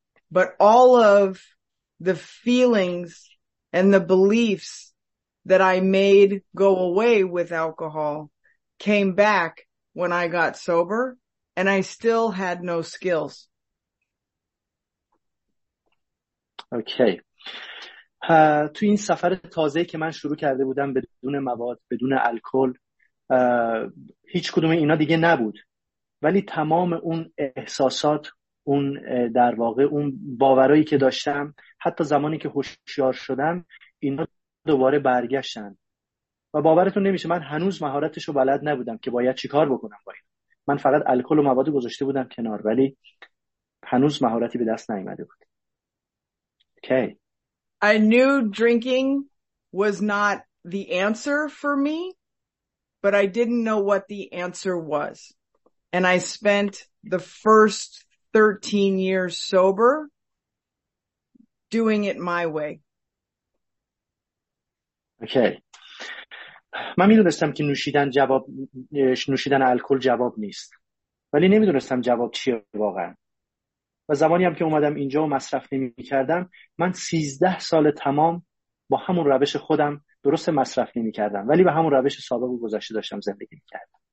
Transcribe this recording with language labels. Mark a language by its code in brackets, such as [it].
[en] But all of the feelings and the beliefs that I made go away with alcohol came back when I got sober, and I still had no skills. Okay. [fa] تو این سفر تازه که من شروع کرده بودم بدون مواد، بدون الکل، هیچ کدوم اینا دیگه نبود، ولی تمام اون احساسات، اون در واقع اون باورایی که داشتم، حتی زمانی که هوشیار شدم، اینا دوباره برگشتن. و باورتون نمیشه، من هنوز مهارتشو بلد نبودم که باید چیکار بکنم با این. من فقط الکل و مواد گذاشته بودم کنار، ولی هنوز مهارتی به دست نیامده بود. [en] Okay. I knew drinking was not the answer for me, but I didn't know what the answer was. And I spent the first 13 years sober doing it my way. Okay. [fa] من میدونستم که نوشیدن جواب، نوشیدن الکل جواب نیست. ولی نمیدونستم جواب چیه واقعا. و زمانی هم که اومدم اینجا و مصرف نمی‌کردم، من 13 سال تمام با همون روش خودم، درست مصرف نمی‌کردم، ولی به همون روش سابق و گذشته داشتم زندگی می‌کردم.